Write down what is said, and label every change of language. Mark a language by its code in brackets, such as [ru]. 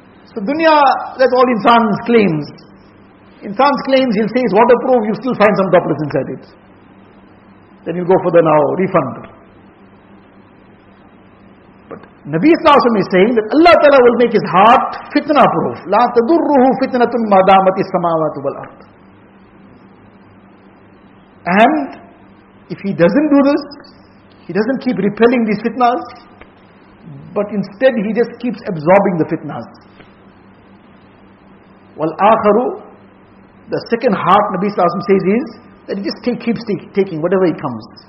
[en] So dunya, that's all insan's claims. Insan's claims, he'll say it's waterproof, you still find some droplets inside it. Then you go for the now refund. But Nabi Sallallahu Alaihi Wasallam is saying that Allah Ta'ala will make his heart fitna proof. [ar] لا تدره فتنة ما دامت السماوات والأرض. [en] And if he doesn't do this, he doesn't keep repelling these fitnas, but instead he just keeps absorbing the fitnas. وَالْآخَرُ, the second heart, Nabi Sallallahu Alaihi Wasallam says, is that he just keeps taking whatever he comes.